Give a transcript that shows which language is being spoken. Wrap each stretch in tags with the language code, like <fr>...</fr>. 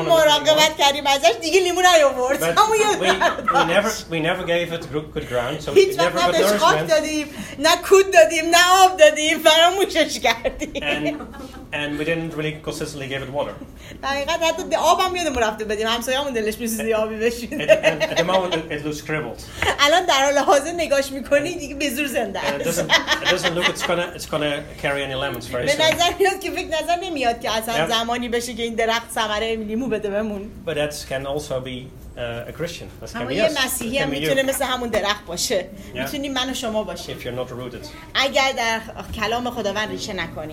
<fa>مراقبت کردیم ازش، دیگه لیمو نیاورد. اما</fa> <en>we never gave it good ground, so it never got nourishment.</en> <fa>هیچ وقت نه دادیم، نه کود دادیم، نه آب دادیم، فراموشش کردیم.</fa> <en>And we didn't really consistently give it water.</en> <fa>دقیقاً حتی به آبم یادمون رفته بدیم، همسایه‌مون دلش می‌سوزه آبی بشینه.</fa> <en>At the moment it looks scribbled.</en> <fa>الان در حال حاضر نگاش می‌کنی دیگه به زور زنده.</fa> <en>It doesn't look it's gonna carry any lemons very soon.</en> <fa>نظر نمیاد که اصلا زمانی بشه که این درخت ثمره لیمو بده بهمون.</fa> <en>But that can also be a Christian.</en> <fa>همون یه مسیحی هم میتونه مثل همون درخت باشه. Yeah. میتونی من و شما باشه.</fa> <en>If you're not rooted.</en> <fa>اگر در کلام خداوند ریشه نکنی.</fa>